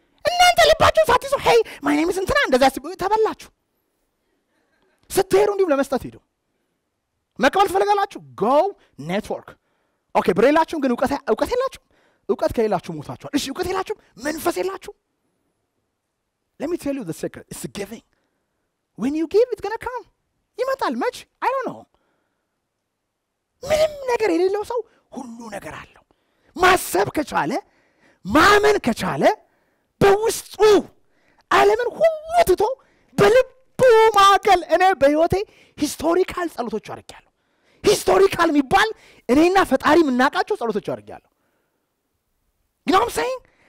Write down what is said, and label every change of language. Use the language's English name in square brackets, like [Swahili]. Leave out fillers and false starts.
[Amharic] እናንተ ልባችሁ ሳትይዙ [English] ሄይ ማይ ኔም ኢዝ [Amharic] እንትና እንደዛ ሲብ ተበላችሁ። ስትሄዱ እንዲሁም ለመስጠት ሄዱ። መቀበል ትፈልጋላችሁ? [English] ጎ ኔትወርክ። [Amharic] ኦኬ ብር የላችሁም ግን እውቀት የላችሁም? እውቀት ከሌላችሁ ሞታችኋል። እሺ እውቀት የላችሁም? መንፈስ የላችሁም? [English] Let me tell you the secret. It's giving. When you give, it's going to come. [Amharic] ይመጣል መች? [English] I don't know. [Amharic] ምንም ነገር የሌለው ሰው ሁሉ ነገር አለው። ማሰብ ከቻለ ማመን ከቻለ በውስጡ ዓለምን ሁሉ ትቶ በልቡ ማዕከል እኔ በህይወቴ ሂስቶሪካል ጸሎቶች አርጋለሁ። ሂስቶሪካል የሚባል እኔና ፈጣሪ ምናቃቸው ጸሎቶች አርጋለሁ። [English] You know what I'm saying?